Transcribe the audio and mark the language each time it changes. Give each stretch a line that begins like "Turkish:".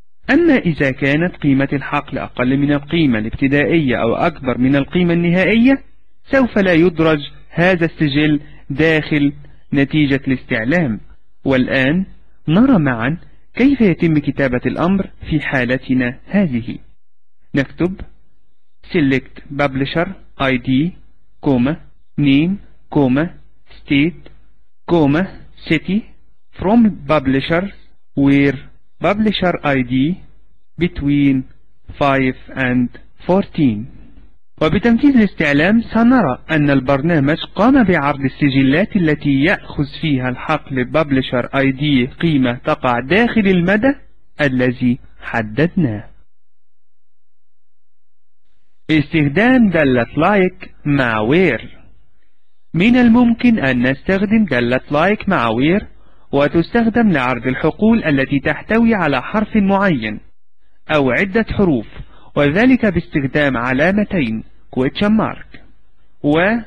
Arabic: أما إذا كانت قيمة الحقل أقل من القيمة الابتدائية أو أكبر من القيمة النهائية، سوف لا يدرج هذا السجل داخل نتيجة الاستعلام. والآن نرى معا كيف يتم كتابة الأمر في حالتنا هذه.
English: نكتب Select Publisher ID, Name, State, City from Publishers where Publisher ID between 5 and 14.
Arabic: وبتنفيذ الاستعلام سنرى أن البرنامج قام بعرض السجلات التي يأخذ فيها الحقل Publisher ID قيمة تقع داخل المدى الذي حددناه. استخدام دالة Like مع WHERE: من الممكن أن نستخدم دالة Like مع WHERE وتستخدم لعرض الحقول التي تحتوي على حرف معين أو عدة حروف، وذلك باستخدام علامتين question mark و